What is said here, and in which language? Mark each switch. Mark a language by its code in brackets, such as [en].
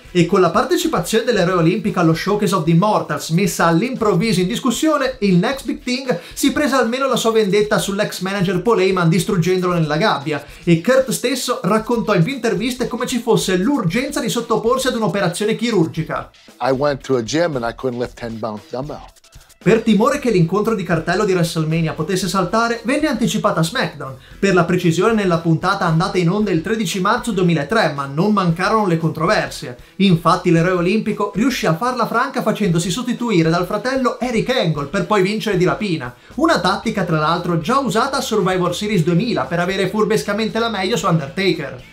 [it] E con la partecipazione dell'eroe olimpico allo Showcase of the Immortals messa all'improvviso in discussione, il Next Big Thing si prese almeno la sua vendetta sull'ex manager Paul Heyman, distruggendolo nella gabbia, e Kurt stesso raccontò in più interviste come ci fosse l'urgenza di sottoporsi ad un'operazione chirurgica. [en] I went to a gym and I couldn't lift 10 pounds dumbbell. [it] Per timore che l'incontro di cartello di WrestleMania potesse saltare, venne anticipata a SmackDown, per la precisione nella puntata andata in onda il 13 marzo 2003, ma non mancarono le controversie. Infatti l'eroe olimpico riuscì a farla franca facendosi sostituire dal fratello Eric Angle per poi vincere di rapina, una tattica tra l'altro già usata a Survivor Series 2000 per avere furbescamente la meglio su Undertaker.